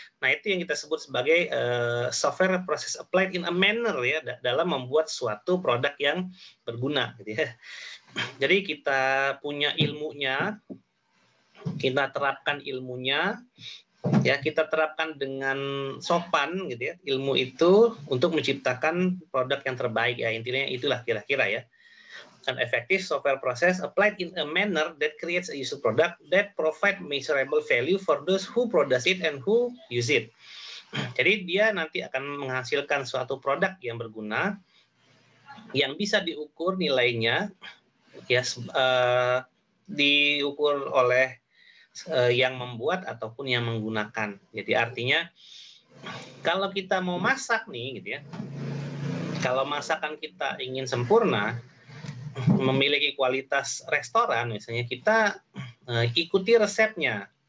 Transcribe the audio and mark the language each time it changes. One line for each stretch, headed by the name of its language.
Indonesian: Nah, itu yang kita sebut sebagai
English: software process applied in a manner
Indonesian: ya, dalam membuat suatu produk yang berguna. Gitu ya. Jadi, kita punya ilmunya, kita terapkan ilmunya, ya kita terapkan dengan sopan gitu ya, ilmu itu untuk menciptakan produk yang terbaik ya, intinya itulah kira-kira ya.
English: An effective software process applied in a manner that creates a useful product that provide measurable value for those who produce it and who use it.
Indonesian: Jadi dia nanti akan menghasilkan suatu produk yang berguna yang bisa diukur nilainya ya, diukur oleh yang membuat ataupun yang menggunakan. Jadi artinya kalau kita mau masak nih gitu ya, kalau masakan kita ingin sempurna memiliki kualitas restoran misalnya, kita ikuti resepnya.